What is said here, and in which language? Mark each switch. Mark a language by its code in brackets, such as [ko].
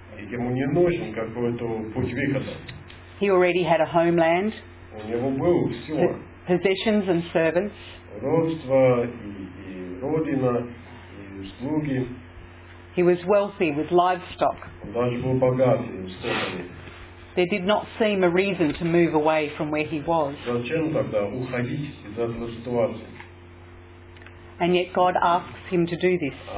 [ru] Ему не нужен какой-то путь выхода. [en] He already had a homeland. [ru] У него было все. [en] Possessions and servants. [ru] Родство и родина и слуги. [en] He was wealthy with livestock. [ru] Он даже был богатый с скотами. [en] There did not seem a reason to move away from where he was. [ru] Зачем тогда уходить из этой ситуации? [en] And yet God asks him to do this.